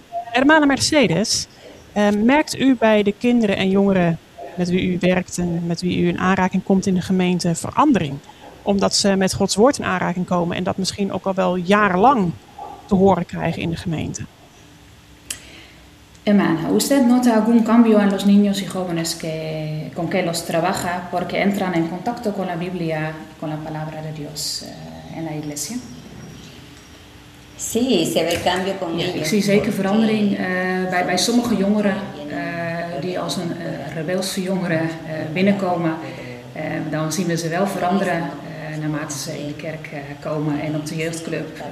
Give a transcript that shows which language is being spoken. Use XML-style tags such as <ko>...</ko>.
<nl>Hermane Mercedes, merkt u bij de kinderen en jongeren met wie u werkt en met wie u in aanraking komt in de gemeente verandering? Omdat ze met Gods woord in aanraking komen en dat misschien ook al wel jarenlang te horen krijgen in de gemeente.</nl> <es>Hermana, ¿usted nota algún cambio en los niños y jóvenes con que los trabaja porque entran en contacto con la Biblia, con la palabra de Dios en la iglesia?</es> <nl>Ik zie zeker verandering bij sommige jongeren die als een rebelse jongeren binnenkomen. Dan zien we ze wel veranderen naarmate ze in de kerk komen en op de jeugdclub.</nl>